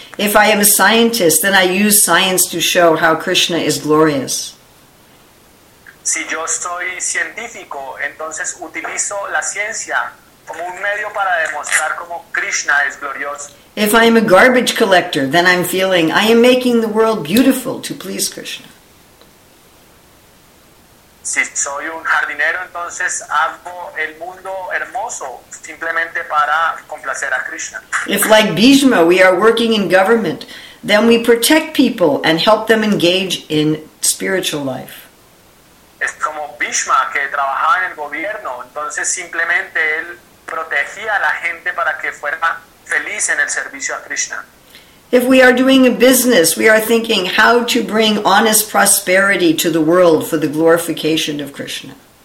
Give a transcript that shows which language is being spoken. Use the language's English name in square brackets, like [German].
[English] If I am a scientist, then I use science to show how Krishna is glorious. [Spanish] Si yo soy científico, entonces utilizo la ciencia como un medio para demostrar cómo Krishna es glorioso. [English] If I am a garbage collector, then I'm feeling I am making the world beautiful to please Krishna. [Spanish] Si soy un jardinero, entonces hago el mundo hermoso simplemente para complacer a Krishna. [English] If like Bhishma, we are working in government, then we protect people and help them engage in spiritual life. [Spanish] Es como Bhishma, que trabajaba en el gobierno, entonces simplemente él protegía a la gente para que fuera feliz en el servicio a Krishna. [English] If we are doing a business, we are thinking how to bring honest prosperity to the world for the glorification of Krishna.